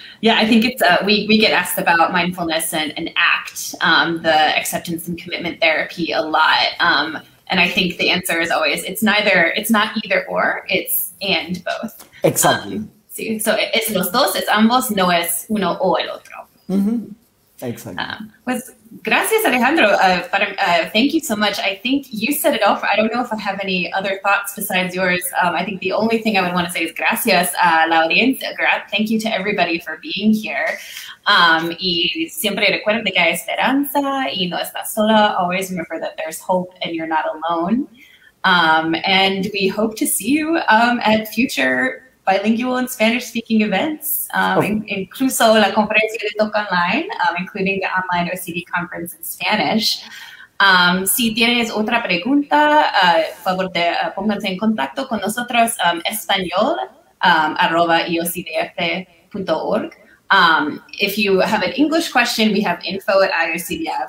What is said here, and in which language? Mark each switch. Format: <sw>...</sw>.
<en>Yeah, I think it's we get asked about mindfulness and ACT, the acceptance and commitment therapy a lot, and I think the answer is always it's not either or, it's and both. Exactly.</en> <es>Sí. So es los dos, es ambos, no es uno o el otro.</es> <en>Mm-hmm. Exactly.</en> <es>Pues gracias,</es> <en>Alejandro. Thank you so much. I think you said it all. I don't know if I have any other thoughts besides yours. I think the only thing I would want to say is</en> <es>gracias a la audiencia.</es> <en>Thank you to everybody for being here.</en> <es>Y siempre recuerden que hay esperanza y no estás sola.</es> <en>Always remember that there's hope and you're not alone. And we hope to see you at future bilingual and Spanish speaking events,</en> <es>incluso la conferencia de TOC online,</es> <en>including the online OCD conference in Spanish.</en> <es>Si tienes otra pregunta, favor de pónganse en contacto con nosotros, español, arroba iocdf.org.</es> <en>If you have an English question, we have info@IOCDF.</en>